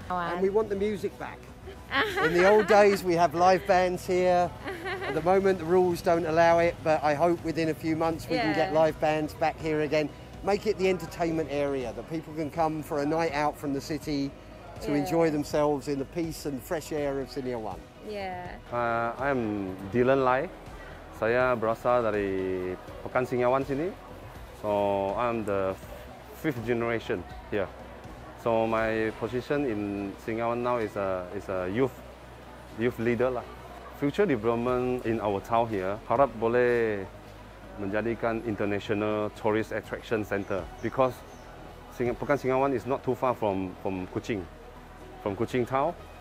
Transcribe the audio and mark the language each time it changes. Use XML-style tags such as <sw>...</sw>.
<en>And we want the music back. In the old days we have live bands here. At the moment the rules don't allow it, but I hope within a few months we can get live bands back here again. Make it the entertainment area that people can come for a night out from the city to enjoy themselves in the peace and fresh air of Sinia One. I am Dylan Lai.</en> <ms>Saya berasal dari Pekan Sinia One sini.</ms> <en>So I'm the fifth generation here. So my position in Sinia One now is a youth leader lah. Future development in our town here</en> <ms>harap boleh menjadikan</ms> <en>international tourist attraction center, because Pekan Sinia One is not too far from Kuching. From Kuching town.</en>